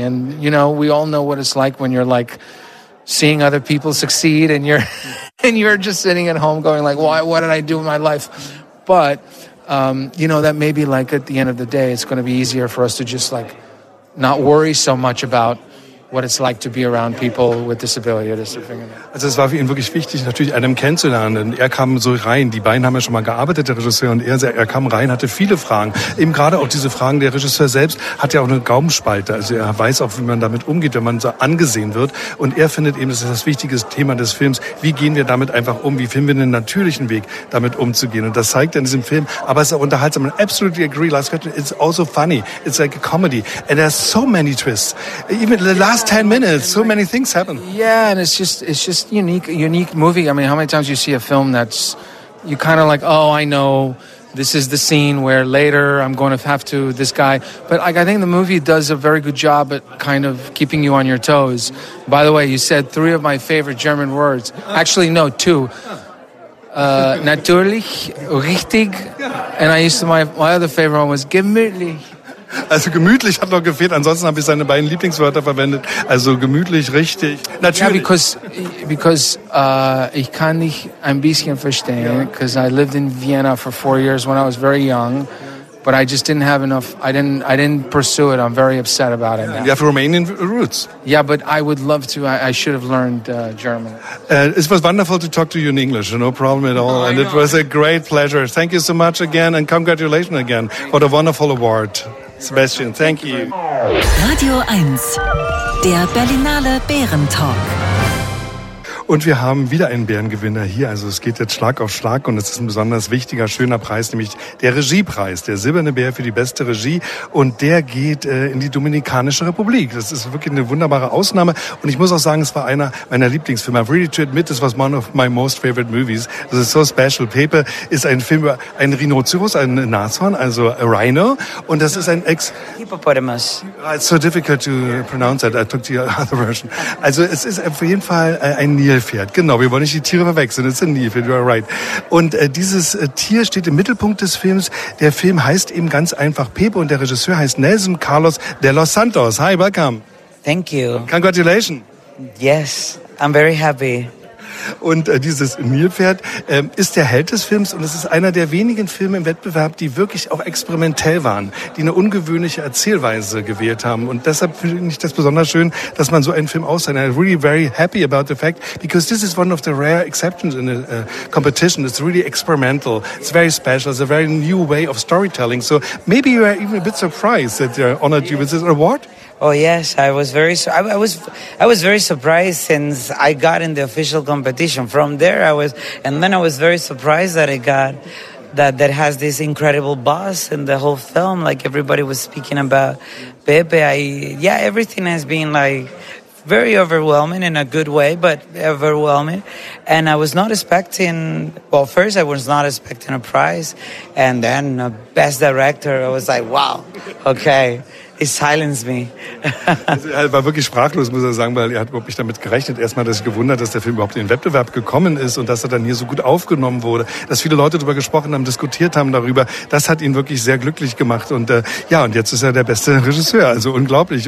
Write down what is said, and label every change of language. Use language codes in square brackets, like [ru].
[en] And, you know, we all know what it's like when you're like seeing other people succeed and you're just sitting at home going like, why, what did I do with my life? But, you know, that maybe like at the end of the day, it's going to be easier for us to just like not worry so much about what it's like to be around people with disability or disfigurement. [de] Also es war für ihn wirklich wichtig, natürlich Adam kennenzulernen, denn er kam so rein, die beiden haben ja schon mal gearbeitet, der Regisseur und er kam rein, hatte viele Fragen. Eben gerade auch diese Fragen, der Regisseur selbst hat ja auch eine Gaumenspalte, also er weiß auch, wie man damit umgeht, wenn man so angesehen wird, und er findet eben, das ist das wichtige Thema des Films, wie gehen wir damit einfach um, wie finden wir einen natürlichen Weg, damit umzugehen, und das zeigt er in diesem Film, aber es ist auch unterhaltsam. [en] I absolutely agree, last question, it's also funny, it's like a comedy, and there's so many twists. Even the last 10 minutes, so many things happen. Yeah, and it's just unique movie. I mean, how many times you see a film that's, you kind of like, oh, I know, this is the scene where later I'm going to have to this guy. But like, I think the movie does a very good job at kind of keeping you on your toes. By the way, you said three of my favorite German words. Actually, no, two. Natürlich, richtig, and I used to my other favorite one was gemütlich. [de] Also gemütlich hat noch gefehlt, ansonsten habe ich seine beiden Lieblingswörter verwendet. Also gemütlich, richtig, natürlich. [en] Yeah, because [de] ich kann dich ein bisschen verstehen, [en] because I lived in Vienna for 4 years when I was very young, but I just didn't have enough, I didn't pursue it, I'm very upset about it now. You have Romanian roots. Yeah, but I would love to, I should have learned German. It was wonderful to talk to you in English, no problem at all, and it was a great pleasure. Thank you so much again, and congratulations again. What a wonderful award. Sebastian, thank you. [de] Radio 1, der Berlinale Bärentalk. Und wir haben wieder einen Bärengewinner hier. Also es geht jetzt Schlag auf Schlag und es ist ein besonders wichtiger, schöner Preis, nämlich der Regiepreis, der Silberne Bär für die beste Regie. Und der geht in die Dominikanische Republik. Das ist wirklich eine wunderbare Ausnahme. Und ich muss auch sagen, es war einer meiner Lieblingsfilme. [en] I'm really to admit, this was one of my most favorite movies. This is so special. [de] Pepe ist ein Film über einen Rhinoceros, einen Nashorn, [en] also a rhino. [de] Und das ist ein [en] Hippopotamus. It's so difficult to pronounce that. I took the other version. [de] Also es ist auf jeden Fall ein Nilpferd. Genau, wir wollen nicht die Tiere verwechseln. Es ist ein Nilpferd, [en] you are right. [de] Und dieses Tier steht im Mittelpunkt des Films. Der Film heißt eben ganz einfach Pepe und der Regisseur heißt Nelson Carlos de los Santos. [en] Hi, welcome. Thank you. Congratulations. Yes, I'm very happy. [de] Und dieses Nilpferd ist der Held des Films und es ist einer der wenigen Filme im Wettbewerb, die wirklich auch experimentell waren, die eine ungewöhnliche Erzählweise gewählt haben. Und deshalb finde ich das besonders schön, dass man so einen Film aussehen. [en] I'm really very happy about the fact, because this is one of the rare exceptions in a competition. It's really experimental. It's very special. It's a very new way of storytelling. So maybe you are even a bit surprised that they honored you with this award. Oh yes, I was very surprised since I got in the official competition. From there, I was very surprised that I got that has this incredible buzz in the whole film. Like everybody was speaking about Pepe. Everything has been like very overwhelming in a good way, but overwhelming. And I was not expecting. Well, first I was not expecting a prize, and then a best director. I was like, wow, okay. It silenced me. [de] Er war wirklich sprachlos, muss er sagen, weil er hat überhaupt nicht damit gerechnet. Erstmal hat er sich gewundert, dass der Film überhaupt in den Wettbewerb gekommen ist und dass er dann hier so gut aufgenommen wurde, dass viele Leute darüber gesprochen haben, diskutiert haben darüber. Das hat ihn wirklich sehr glücklich gemacht. Und und jetzt ist er der beste Regisseur, also unglaublich.